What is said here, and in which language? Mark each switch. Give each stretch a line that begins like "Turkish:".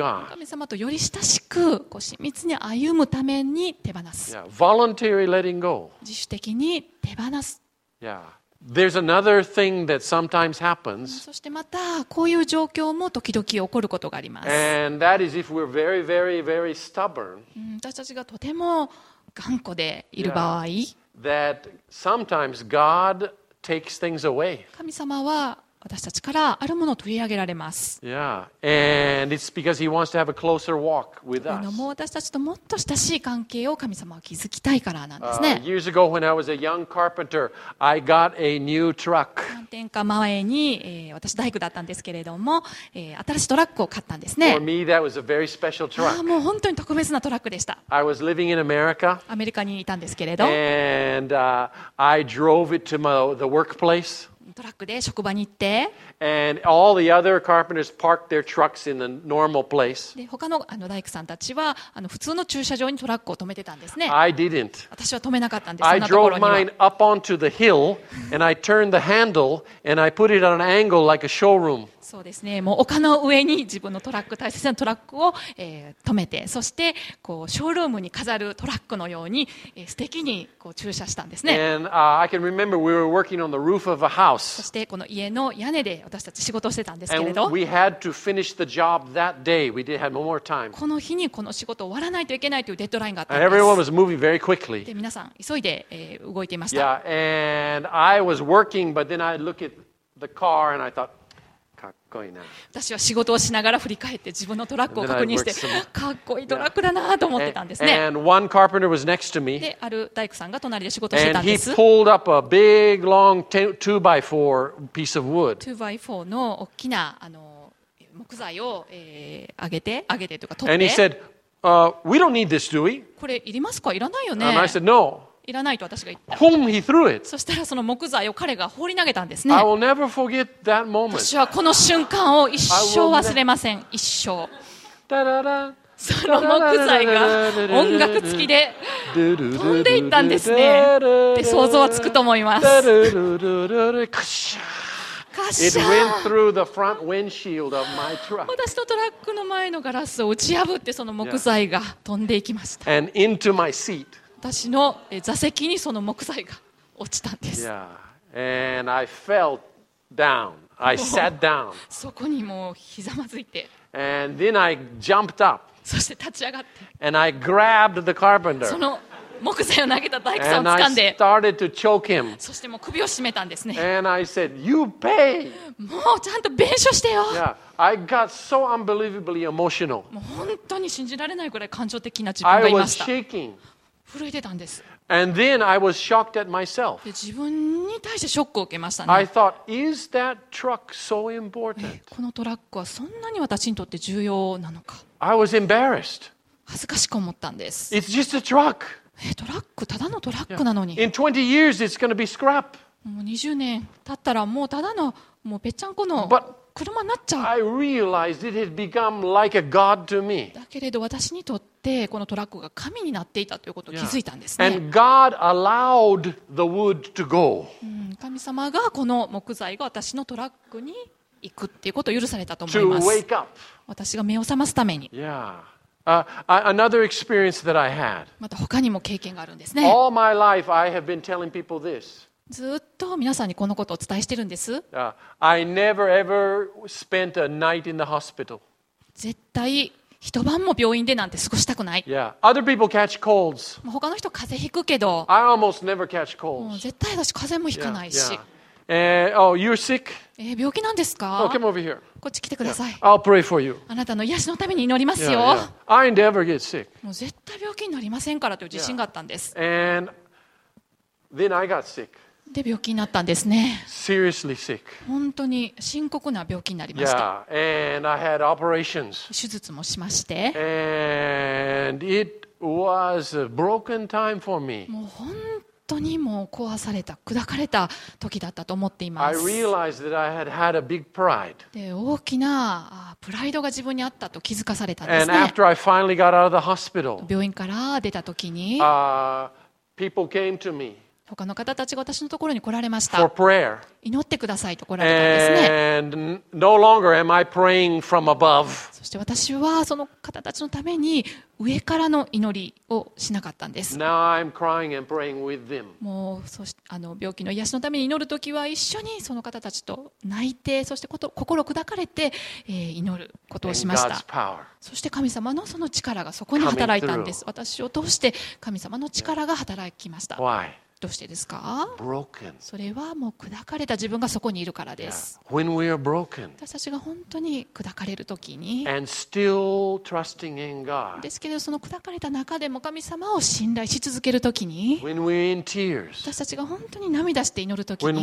Japanese: 神様とより親しく、親密に歩むために手放す。
English: Yeah, voluntary letting go.
Japanese: 自主的に手放す。
English: Yeah. There's another thing that sometimes happens.
Japanese: そしてまたこういう状況も時々起こることがあります。
English: And that is if we're very, very, very stubborn.
Japanese: 私たちがとても頑固でいる場合。
English: Yeah. That sometimes God takes things away.
Japanese: 神様は私たちからあるものを取り上げられます。
English: Yeah. And it's because he wants to have a closer walk with us.
Japanese: もう私たちともっと親しい関係を神様は築きたいからなんですね。
English: Years ago when I was a young carpenter, I got a new truck.
Japanese: 何年か前に、私大工だったんですけれども、新しいトラックを買ったんですね。
English: For me, that was a very special truck.
Japanese: もう本当に特別なトラックでした。
English: I was living in America.
Japanese: アメリカにいたんですけれど。
English: And, I drove it to the workplace.
Japanese: トラックで職場に行って、
English: and all the other carpenters parked their trucks in the normal place.
Japanese: で、他の大工さんたちは普通の駐車場にトラックを止めてたんですね。
English: I didn't.
Japanese: 私は止めなかったんです。
English: I drove mine up onto the hill and I turned the handle and I put it at an angle like a showroom.
Japanese: そうですね。もう丘の上に自分のトラック、大切なトラックを、止めて、そしてこうショールームに飾るトラックのように、素敵にこう駐車したんですね。
English: And, I can remember we were working on the roof of a house.
Japanese: そしてこの家の屋根で私たち仕事をしてたんですけれど、
English: we had to finish the job that day. We didn't have more time.
Japanese: この日にこの仕事を終わらないといけないというデッドラインがあったんです。
English: Everyone was moving very quickly.
Japanese: で、皆さん急いで、動いていました。
English: Yeah, and I was working, but then I look at the car and I thought,
Japanese: かっこいいな。私は仕事をしながら振り返って自分のトラックを確認して、かっこいいトラックだなと思ってたんですね。
English: And one carpenter was next to me.
Japanese: で、ある大工さんが隣で仕事してたんです。
English: And he pulled up a big, long 2x4 piece of wood.
Japanese: 2x4 の大きな木材を、上げてとか取って。
English: And he said, we don't need this, do we?
Japanese: これいりますか？いらないよね。
English: And I said, no.
Japanese: いらないと私が言った。
English: Whom he threw it.
Japanese: そしたらその木材を彼が放り投げたんですね。
English: I will never forget that moment.
Japanese: 私はこの瞬間を一生忘れません。一生。その木材が音楽付きで飛んでいったんですね。で、想像はつくと思います。カッシャー。
English: It went through the front windshield of my truck.
Japanese: 私のトラックの前のガラスを打ち破ってその木材が飛んでいきました。
English: And into my seat.
Japanese: 私の座席にその木材が落ちたんです。
English: Yeah. And I fell down. I sat down.
Japanese: そこにもうひざまずいて。
English: And then I jumped up.
Japanese: そして立ち上がって。
English: And I grabbed the carpenter.
Japanese: その木材を投げた大工さんを掴んで、
English: and I started to choke him.
Japanese: そしてもう首を絞めたんですね。
English: and I said, you pay.
Japanese: もうちゃんと弁償してよ。
English: yeah, I got so unbelievably emotional.
Japanese: もう本当に信じられないくらい感情的な自分がいました。
English: I was shaking.
Japanese: 震えてたんです。
English: And then I was shocked at myself.
Japanese: 自分に対してショックを受けましたね。
English: I thought, is that truck so important?
Japanese: このトラックはそんなに私にとって重要なのか。
English: I was embarrassed.
Japanese: 恥ずかしく思ったんです。
English: It's just a truck.
Japanese: トラック、ただのトラックなのに。
English: In 20 years, it's going to be scrap.
Japanese: もう20年経ったらもうただのもうぺっちゃんこの車になっちゃう。
English: I realized it had become like a god to me.
Japanese: だけれど私にとってでこのトラックが神になっていたということを気づいたんですね。
English: And God allowed the wood to go.
Japanese: 神様がこの木材が私のトラックに行くっていうことを許されたと思います。私が目を覚ますために。
English: Another experience that I had.
Japanese: また他にも経験があるんですね。
English: All my life I have been telling people this.
Japanese: ずっと皆さんにこのことをお伝えしてるんです。
English: I never ever spent a night in the hospital.
Japanese: 絶対一晩も病院でなんて過ごしたくない。
English: Yeah. Other people catch colds.
Japanese: 他の人風邪ひくけど。
English: I almost never catch colds.
Japanese: もう絶対私風邪もひかないし。
English: Yeah. Oh, you're sick?
Japanese: 病気なんですか？
English: Oh, come over here.
Japanese: こっち来てください。
English: Yeah. I'll pray for you.
Japanese: あなたの癒しのために祈りますよ。
English: Yeah, yeah. I never get sick.
Japanese: もう絶対病気になりませんからという自信があったんです。
English: Yeah. And then I got sick.
Japanese: で病気になったんですね。
English: Seriously sick.
Japanese: 本当に深刻な病気になりました。
English: Yeah. And I had operations.
Japanese: 手術もしまして。
English: And it was a broken time for me.
Japanese: もう本当にもう壊された、砕かれた時だったと思っています。
English: I realized that I had had a big pride.
Japanese: で大きなプライドが自分にあったと気づかされたんですね。
English: And after I finally got out of the hospital.
Japanese: 病院から出た時に、
English: people came to me.
Japanese: 他の方たちが私のところに来られました。
English: For prayer.
Japanese: 祈ってくださいと来られたんですね。
English: And no longer am I praying from above.
Japanese: そして私はその方たちのために上からの祈りをしなかったんです。
English: Now I'm crying and praying with them.
Japanese: もうそしあの病気の癒しのために祈るときは一緒にその方たちと泣いてそしてこと心砕かれて、祈ることをしました。
English: And God's power.
Japanese: そして神様のその力がそこに働いたんです。私を通して神様の力が働きました。
English: Why?
Japanese: どうしてですか？
English: Broken.
Japanese: それはもう砕かれた自分がそこにいるからです。
English: Yeah. When we are broken.
Japanese: 私たちが本当に砕かれるときに、
English: And still trusting in God.
Japanese: ですけどその砕かれた中でも神様を信頼し続けるときに、
English: When we're in tears.
Japanese: 私たちが本当に涙して祈るときに、